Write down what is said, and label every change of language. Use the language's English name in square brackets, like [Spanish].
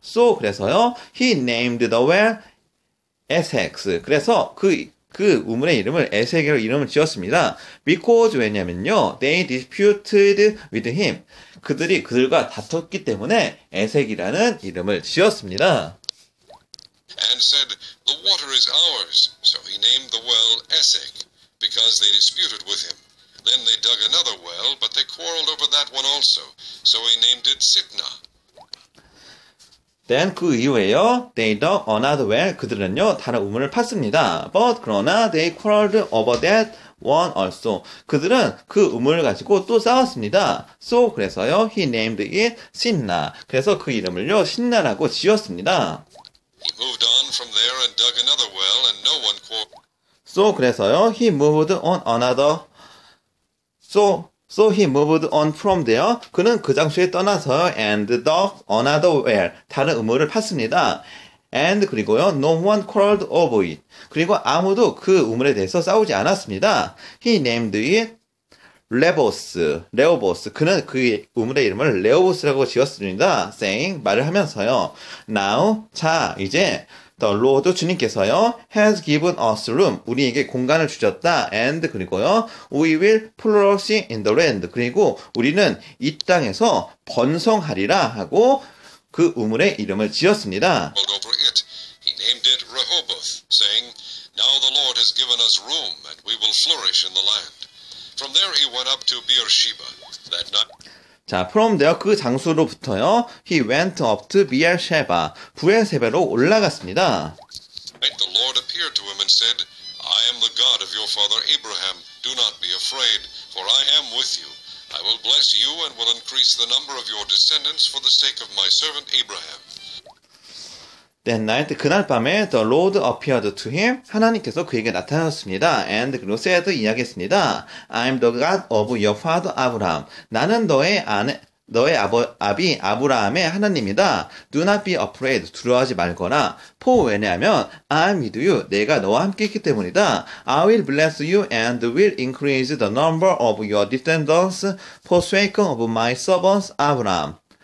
[English] So, [Korean] 그래서요, [English] he named the well Essex. [Korean] 그래서 그 우물의 이름을 에세게로 이름을 지었습니다. [English] Because, [Korean] 왜냐면요, [English] they disputed with him. [Korean] 그들이 그들과 다퉜기 때문에 에세기라는 이름을 지었습니다. [English] And said, the water is ours. So he named the well Essek, because they disputed with him. Then they dug another well, but they quarreled over that one also. So he named it Sitna. Then [Korean] 그 이후에요, [English] they dug another well. [Korean] 그들은요, 다른 우물을 팠습니다. [English] But [Korean] 그러나 [English] they quarreled over that one also. [Korean] 그들은 그 우물을 가지고 또 싸웠습니다. [English] So [Korean] 그래서요, [English] he named it Sitna. [Korean] 그래서 그 이름을요, 신나라고 지었습니다. [English] He moved on from there and dug another well, and no one quarreled. So [Korean] 그래서요, [English] he moved on another. So So he moved on from there. [Korean] 그는 그 장소에 떠나서 [English] and dug another well. [Korean] 다른 우물을 팠습니다. [English] And [Korean] 그리고요, [English] no one quarreled over it. [Korean] 그리고 아무도 그 우물에 대해서 싸우지 않았습니다. [English] He named it Rehoboth. Rehoboth. [Korean] 그는 그 우물의 이름을 레오보스라고 지었습니다. [English] Saying, [Korean] 말을 하면서요. [English] Now, [Korean] 자, 이제 [English] the Lord [Korean] 주님께서요, [English] has given us room. [Korean] 우리에게 공간을 주셨다. [English] And [Korean] 그리고요, [English] we will flourish in the land. [Korean] 그리고 우리는 이 땅에서 번성하리라 하고 그 우물의 이름을 지었습니다. [English] Rehoboth, saying, Now the Lord has given us room, and we will flourish in the land. From there he went up to Beersheba that night. 자, from there [Korean] 그 장소로부터요, [English] he went up to Beersheba, [Korean] 부엘세베로 올라갔습니다. [English] And the Lord appeared to him and said, I am the God of your father Abraham. Do not be afraid, for I am with you. I will bless you and will increase the number of your descendants for the sake of my servant Abraham. That night, [Korean] 그날 밤에 [English] the Lord appeared to him. [Korean] 하나님께서 그에게 나타났습니다. [English] And [Korean] 그리고 [English] said [Korean] 이야기했습니다. [English] I'm the God of your father Abraham. [Korean] 나는 너의 아버 아비 아브라함의 하나님이다. [English] Do not be afraid. [Korean] 두려워하지 말거라. [English] For [Korean] 왜냐하면 [English] I'm with you. [Korean] 내가 너와 함께 있기 때문이다. [English] I will bless you and will increase the number of your descendants for sake of my servants Abraham.